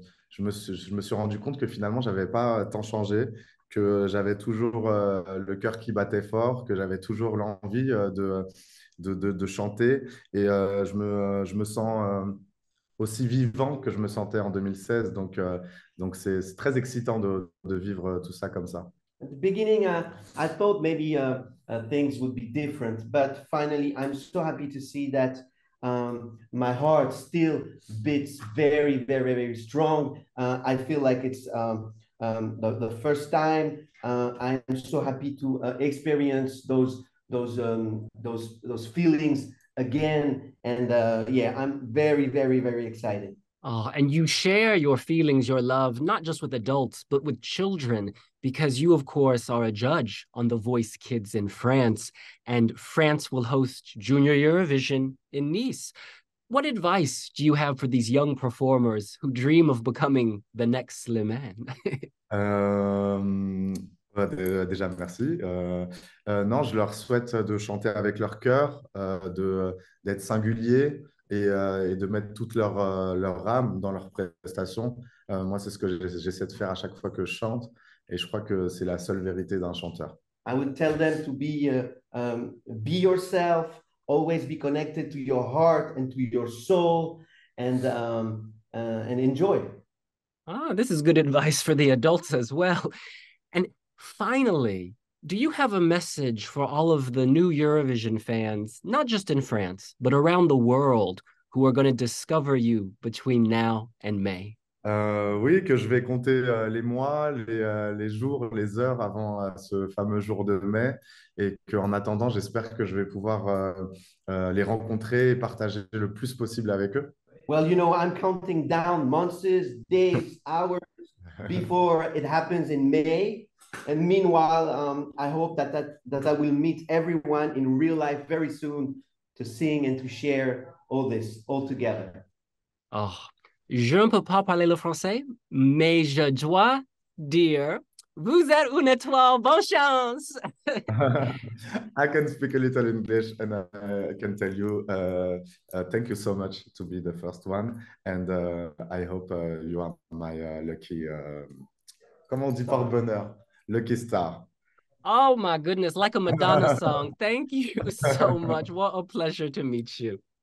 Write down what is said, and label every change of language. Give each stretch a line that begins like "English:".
French: Je me suis rendu compte que finalement, je n'avais pas tant changé, que j'avais toujours le cœur qui battait fort, que j'avais toujours l'envie de chanter. Je me sens aussi vivant que je me sentais en 2016. Donc c'est très excitant de vivre tout ça comme ça.
English: At the beginning, I thought maybe things would be different, but finally, I'm so happy to see that my heart still beats very, very, very strong. I feel like it's the first time. I'm so happy to experience those feelings again, and yeah, I'm very, very, very excited. Oh, and you share your feelings, your love, not just with adults, but with children, because you, of course, are a judge on The Voice Kids in France, and France will host Junior Eurovision in Nice. What advice do you have for these young performers who dream of becoming the next Slimane?
French: Déjà, merci. Non, je leur souhaite de chanter avec leur cœur, d'être singulier et de mettre toute leur âme dans leur prestation. Moi, c'est ce que j'essaie de faire à chaque fois que je chante, et je crois que c'est la seule vérité d'un chanteur.
English: I would tell them to be yourself, always be connected to your heart and to your soul, and enjoy. Ah, this is good advice for the adults as well. And finally, Do you have a message for all of the new Eurovision fans, not just in France, but around the world, who are going to discover you between now and May?
French: Oui, que je vais compter les mois, les jours, les heures avant ce fameux jour de mai et qu'en attendant, j'espère que je vais pouvoir les rencontrer et partager le plus possible avec eux.
English: Well, you know, I'm counting down months, days, hours before it happens in May. And meanwhile, I hope that I will meet everyone in real life very soon to sing and to share all this all together.
French: Oh, je ne peux pas parler le français, mais je dois dire, vous êtes une étoile, bonne chance!
English: I can speak a little English and I can tell you, thank you so much to be the first one. And I hope you are my lucky,
French: comment on dit par bonheur?
English: Lucky star. Oh my goodness, like a Madonna song. Thank you so much. What a pleasure to meet you.